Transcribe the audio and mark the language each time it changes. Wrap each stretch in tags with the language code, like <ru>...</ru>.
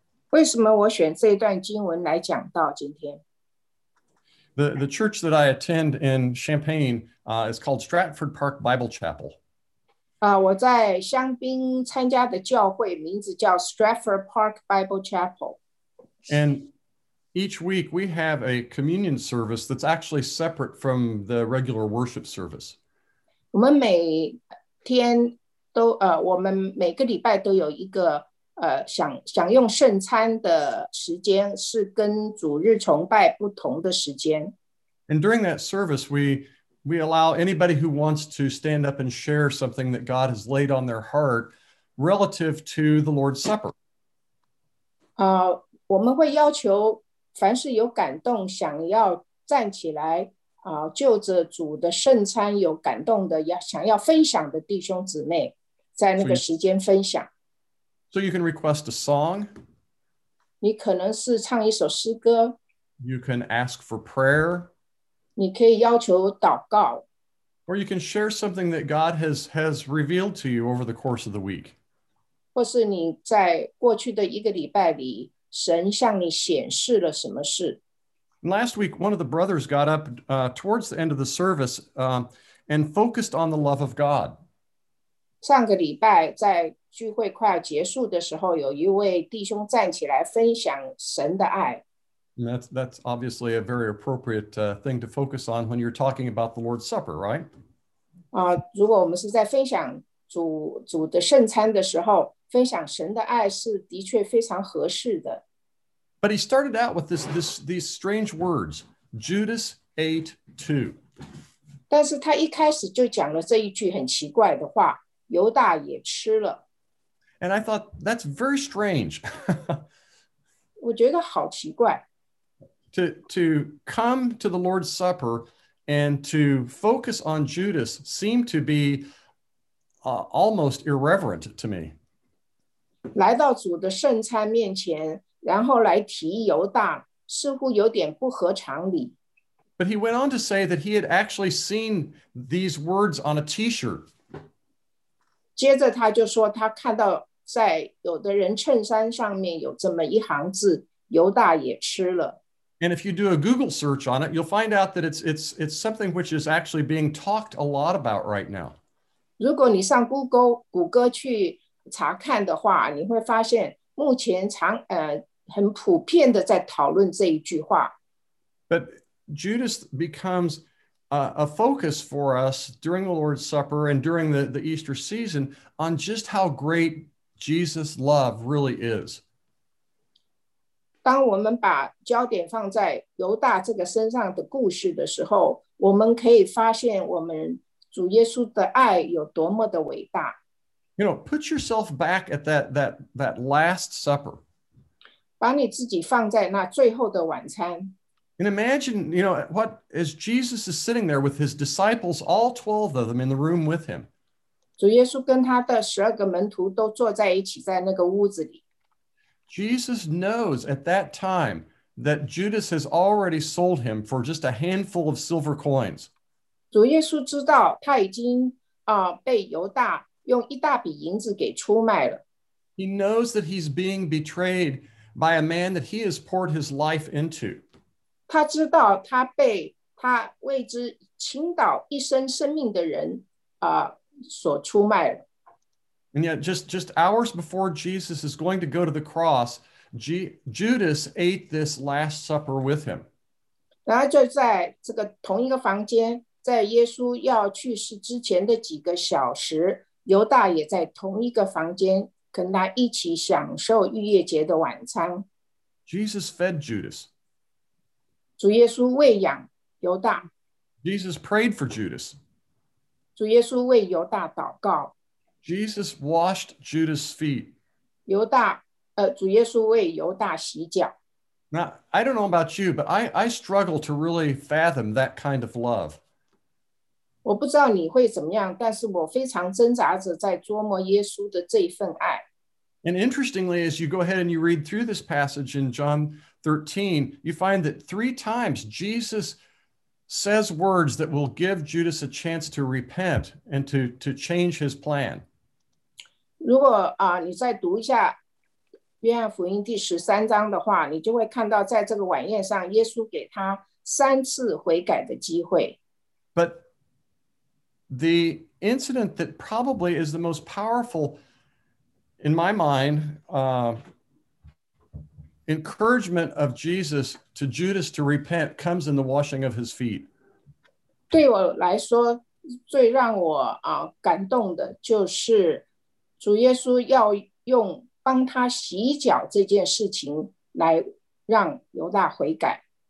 <zh>为什么我选这段经文来讲到今天？</zh> <en>The church that I attend in Champaign is called Stratford Park Bible Chapel.</en> <zh>我在香槟参加的教会名字叫 Stratford Park Bible Chapel.</zh> <en>And each week we have a communion service that's actually separate from the regular worship service.</en> <zh>我们每天都我们每个礼拜都有一个享用圣餐的时间是跟主日崇拜不同的时间。</zh> <en>And during that service, we allow anybody who wants to stand up and share something that God has laid on their heart relative to the Lord's Supper.</en> <zh>我们会要求凡是有感动想要站起来就着主的圣餐有感动的想要分享的弟兄姊妹在那个时间分享。</zh> <en>So you can request a song.</en> <zh>你可能是唱一首诗歌。</zh> <en>You can ask for prayer.</en> <zh>你可以要求祷告。</zh> <en>Or you can share something that God has revealed to you over the course of the week.</en> <zh>或是你在过去的一个礼拜里，神向你显示了什么事。</zh> <en>Last week, one of the brothers got up towards the end of the service and focused on the love of God.</en> <zh>上个礼拜在聚会快要结束的时候，有一位弟兄站起来分享神的爱。</zh> <en>That's obviously a very appropriate thing to focus on when you're talking about the Lord's Supper, right?</en> <zh>如果我们是在分享主的圣餐的时候，分享神的爱是的确非常合适的。</zh> <en>But he started out with these strange words, Judas 8:2.</en> <zh>但是他一开始就讲了这一句很奇怪的话，犹大也吃了。</zh> <en>And I thought, that's very strange.</en> <zh>我觉得好奇怪。</zh> <en>To come to the Lord's Supper and to focus on Judas seemed to be almost irreverent to me.</en> <zh>来到主的圣餐面前，然后来提犹大，似乎有点不合常理。</zh> <en>But he went on to say that he had actually seen these words on a t-shirt.</en> <zh>接着他就说他看到在有的人衬衫上面有这么一行字，犹大也吃了。</zh> <en>And if you do a Google search on it, you'll find out that it's something which is actually being talked a lot about right now.</en> <zh>如果你上 谷歌去查看的话，你会发现目前很普遍的在讨论这一句话。</zh> <en>But Judas becomes a focus for us during the Lord's Supper and during the Easter season on just how great Jesus' love really is.</en> <zh>当我们把焦点放在犹大这个身上的故事的时候，我们可以发现我们主耶稣的爱有多么的伟大。</zh> <en>You know, put yourself back at that last supper.</en> <zh>把你自己放在那最后的晚餐。</zh> <en>And imagine, you know, what as Jesus is sitting there with his disciples, all 12 of them in the room with him.</en> <zh>主耶稣跟他的十二个门徒都坐在一起在那个屋子里。</zh> <en>Jesus knows at that time that Judas has already sold him for just a handful of silver coins.</en> <zh>主耶稣知道他已经被犹大用一大笔银子给出卖了。</zh> <en>He knows that he's being betrayed by a man that he has poured his life into.</en> <zh>他知道他被他为之倾倒一生生命的人所出卖了。</zh> <en>And yet just hours before Jesus is going to go to the cross, Judas ate this last supper with him.</en> <zh>然后就在这个同一个房间，在耶稣要去世之前的几个小时，犹大也在同一个房间跟他一起享受逾越节的晚餐。</zh> <en>Jesus fed Judas.</en> <zh>主耶稣喂养犹大。</zh> <en>Jesus prayed for Judas.</en> <zh>主耶稣为犹大祷告。</zh> <en>Jesus washed Judas' feet.</en> <zh>犹大，主耶稣为犹大洗脚。</zh> <en>Now, I don't know about you, but I struggle to really fathom that kind of love.</en> <zh>我不知道你会怎么样，但是我非常挣扎着在琢磨耶稣的这份爱。</zh> <en>And interestingly, as you go ahead and you read through this passage in John 13, you find that three times Jesus says words that will give Judas a chance to repent and to change his plan.</en> <zh>如果你再读一下约翰福音第十三章的话，你就会看到在这个晚宴上，耶稣给他三次悔改的机会。</zh> <en>But the incident that probably is the most powerful in my mind, encouragement of Jesus to Judas to repent comes in the washing of his feet.</en> <zh>对我来说，最让我感动的就是主耶稣要用帮他洗脚这件事情来让犹大悔改。</zh>